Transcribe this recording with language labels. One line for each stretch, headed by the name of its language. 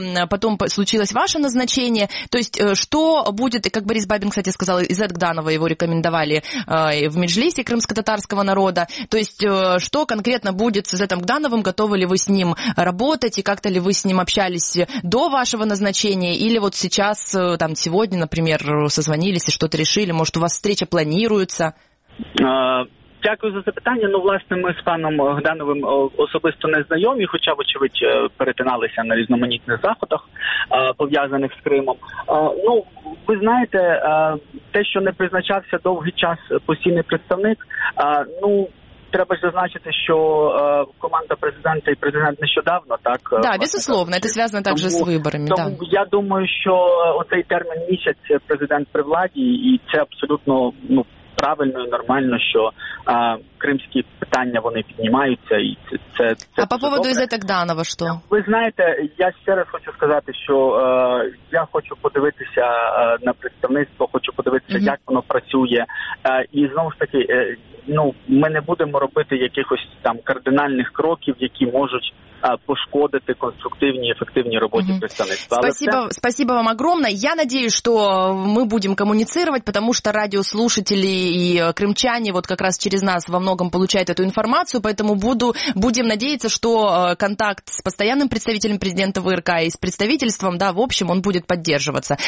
Russian: Потом случилось ваше назначение, то есть что будет, как Борис Бабин, кстати, сказал, из Этгданова его рекомендовали в Меджлисе крымско-татарского народа, то есть что конкретно будет с этим Гдановым, готовы ли вы с ним работать, и как-то ли вы с ним общались до вашего назначения, или вот сейчас, там, сегодня, например, созвонились и что-то решили, может, у вас встреча планируется?
Ukrainian: Дякую за запитання. Ну, власне, ми з паном Гдановим особисто не знайомі, хоча, вочевидь, перетиналися на різноманітних заходах, пов'язаних з Кримом. Ну, ви знаєте, те, що не призначався довгий час постійний представник, ну, треба ж зазначити, що команда президента і президент нещодавно, так?
Russian: Да, безусловно,
Ukrainian: це зв'язано також з виборами, так. Тому я думаю, що оцей термін місяць президент при владі, і це абсолютно, ну, правильно і нормально, що кримські питання, вони піднімаються, і це
Russian: а по поводу
Ukrainian: добре.
Russian: Затагданова, що?
Ukrainian: Ви знаєте, я ще раз хочу сказати, що я хочу подивитися на представництво, хочу подивитися, mm-hmm. як воно працює. І знову ж таки, ну, ми не будемо робити якихось там кардинальних кроків, які можуть пошкодити конструктивній, ефективній роботі mm-hmm. представництва.
Russian: Спасибо, все... спасибо вам огромне.
Ukrainian: Я надіюсь, що ми будемо комуніцировати, тому що
Russian: радіослушателі и крымчане вот как раз через нас во многом получают эту информацию, поэтому будем надеяться, что контакт с постоянным представителем президента ВРК и с представительством, да, в общем, он будет поддерживаться.